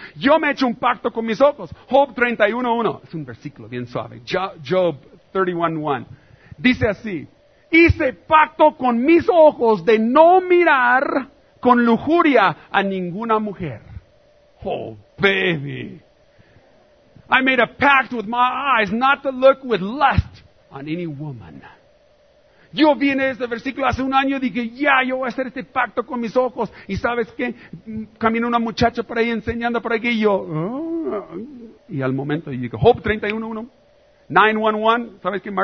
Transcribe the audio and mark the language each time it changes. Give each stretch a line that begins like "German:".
Spanish: Yo me he hecho un pacto con mis ojos. Job 31.1, es un versículo bien suave. Job 31.1, dice así, hice pacto con mis ojos de no mirar con lujuria a ninguna mujer.
English: Oh, baby. I made a pact with my eyes not to look with lust on any woman.
Spanish: Yo vi en ese versículo hace un año y dije, ya, yo voy a hacer este pacto con mis ojos. ¿Y sabes qué? Camina una muchacha por ahí enseñando por aquí y yo, oh. Y al momento yo digo, Job 31.1, 911, ¿sabes qué?